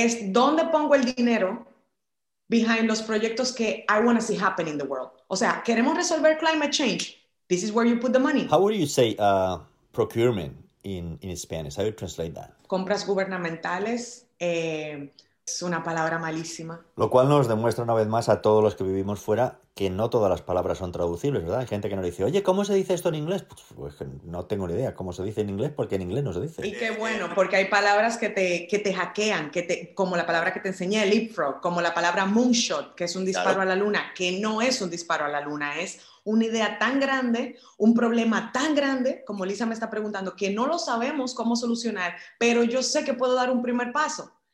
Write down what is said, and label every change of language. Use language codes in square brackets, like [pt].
[es] Es dónde pongo el dinero [en] behind [es] los proyectos que [en] I want to see happen in the world. [es] O sea, queremos resolver climate change. [en] This is where you put the money. How would you say procurement in Spanish? How do you translate that? [es] Compras gubernamentales. Es una palabra malísima. Lo cual nos demuestra una vez más a todos los que vivimos fuera que no todas las palabras son traducibles, ¿verdad? Hay gente que nos dice, oye, ¿cómo se dice esto en inglés? Pues no tengo ni idea cómo se dice en inglés porque en inglés no se dice. Y qué bueno, porque hay palabras que te hackean, como la palabra que te enseñé, el leapfrog, como la palabra moonshot, que es un disparo a la luna, que no es un disparo a la luna, es una idea tan grande, un problema tan grande, como Lisa me está preguntando, que no lo sabemos cómo solucionar, pero yo sé que puedo dar un primer paso.